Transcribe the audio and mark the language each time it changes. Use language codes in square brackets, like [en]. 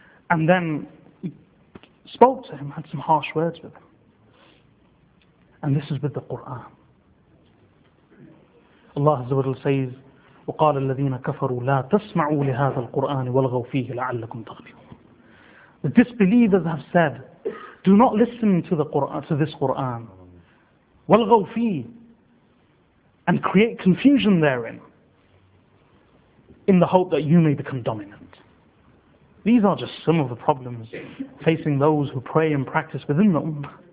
[en] And then spoke to him, had some harsh words with him. And this is with the Qur'an. [ar] Allah Azza wa Jalla says, وقال الذين كفروا لا تسمعوا لهذا القرآن ولغوا فيه لعلكم تغلبون. [en] The disbelievers have said, do not listen to the Quran, to this Quran. [ar] ولغوا فيه, [en] and create confusion therein, in the hope that you may become dominant. These are just some of the problems facing those who pray and practice within the Ummah.